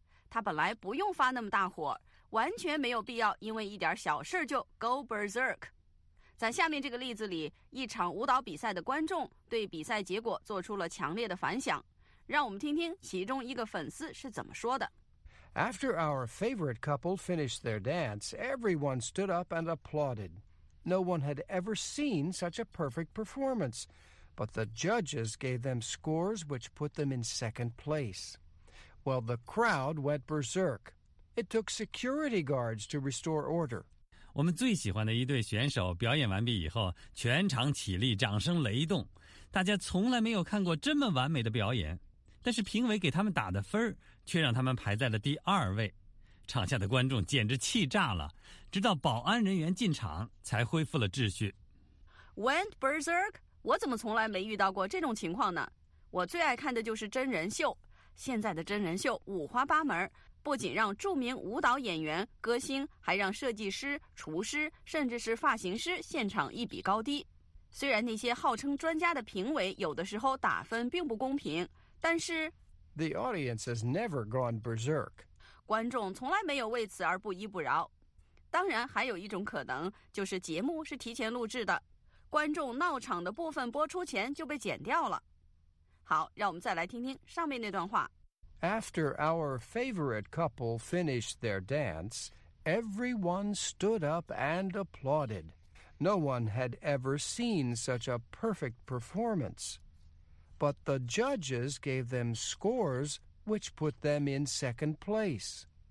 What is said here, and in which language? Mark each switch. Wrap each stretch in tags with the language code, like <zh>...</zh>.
<zh>她本来不用发那么大火，完全没有必要因为一点小事就</zh> <en>Go berserk。</en> <zh>在下面这个例子里，一场舞蹈比赛的观众对比赛结果做出了强烈的反响。让我们听听其中一个粉丝是怎么说的。</zh> <en>After our favorite couple finished their dance, everyone stood up and applauded. No one had ever seen such a perfect performance, but the judges gave them scores which put them in second place. Well, the crowd went berserk. It took security guards to restore order.</en> <zh>我们最喜欢的一对选手表演完毕以后，全场起立，掌声雷动，大家从来没有看过这么完美的表演。但是评委给他们打的分却让他们排在了第二位，场下的观众简直气炸了，直到保安人员进场才恢复了秩序。</zh> <en>Went berserk?</en> <zh>我怎么从来没遇到过这种情况呢？我最爱看的就是真人秀，现在的真人秀五花八门，不仅让著名舞蹈演员、歌星，还让设计师、厨师，甚至是发型师现场一比高低。虽然那些号称专家的评委有的时候打分并不公平，但是</zh> <en>The audience has never gone berserk.</en> <zh>观众从来没有为此而不依不饶。当然，还有一种可能，就是节目是提前录制的，观众闹场的部分播出前就被剪掉了。好，让我们再来听听上面那段话。</zh> <en>After our favorite couple finished their dance, everyone stood up and applauded. No one had ever seen such a perfect performance. But the judges gave them scores which put them in second place.</en>